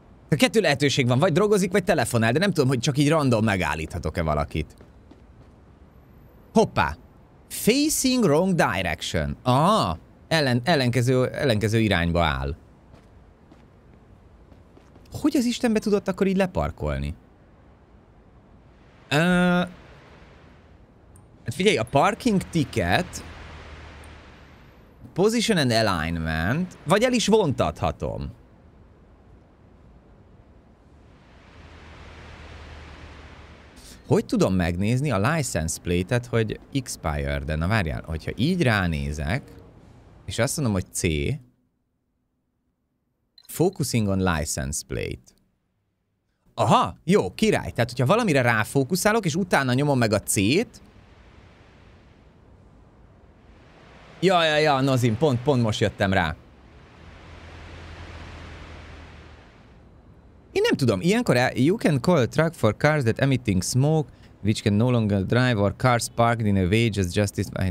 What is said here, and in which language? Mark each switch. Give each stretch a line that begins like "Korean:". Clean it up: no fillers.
Hungarian: A kettő lehetőség van, vagy drogozik, vagy telefonál, de nem tudom, hogy csak így random megállíthatok-e valakit. Hoppá!
English: Facing wrong direction.
Hungarian: Ah, ellenkező irányba áll. Hogy az Istenbe tudott akkor így leparkolni? Hát figyelj, a parking ticket,
English: position and alignment,
Hungarian: vagy el is vontathatom. Hogy tudom megnézni a license plate-et, hogy expired-e? Na várjál, hogyha így ránézek, és azt mondom, hogy C,
English: focusing on license plate.
Hungarian: Aha, jó, király. Tehát, hogyha valamire ráfókuszálok, és utána nyomom meg a C-t, Ja, Nozin, pont most jöttem rá. Én nem tudom, ilyenkor
English: you can call a truck for cars that emitting smoke, which can no longer drive, or cars parked in a way just justice...